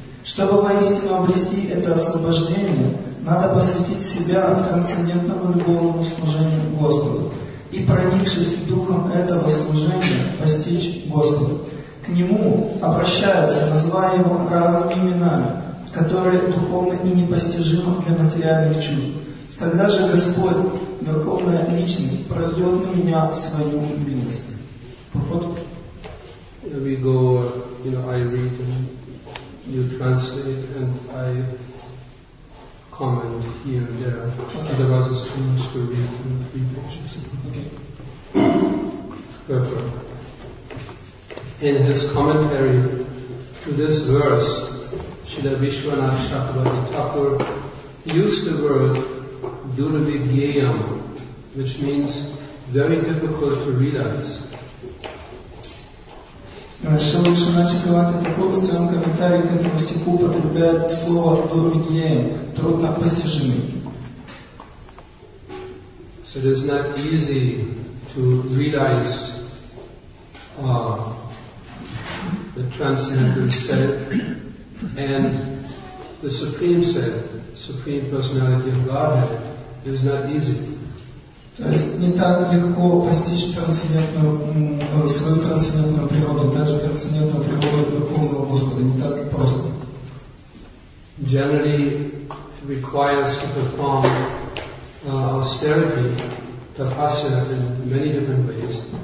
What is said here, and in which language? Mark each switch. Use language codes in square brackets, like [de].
[ru] Чтобы воистину обрести это освобождение, надо посвятить себя трансцендентному любовному служению Господу и, проникшись духом этого служения, постичь Господа. К Нему обращаются, называя Его разными именами, которые духовны и непостижимы для материальных чувств. Когда же Господь, Верховная Личность, прольет на меня свою милость? Проход. [en] We go, you know, I read and you translate and I comment here and there. Okay. Otherwise it's too much to read in three pages. Okay. In his commentary to this verse, Srila Vishwanatha Chakravarti Thakur used the word duravigyayam, which means very difficult to realize. Srila Vishwanatha Chakravarti Thakur in his commentary to this verse uses the word duravigyayam, [ru] трудно постижимый. [en] So it is not easy to realize the transcendental self. And the Supreme said, Supreme Personality of Godhead, it is not easy. [ru] То есть не так легко постичь свою трансцендентную природу, даже трансцендентную природу Верховного Господа, не так просто. [en] Generally it requires to perform austerity, tapasya, in many different ways.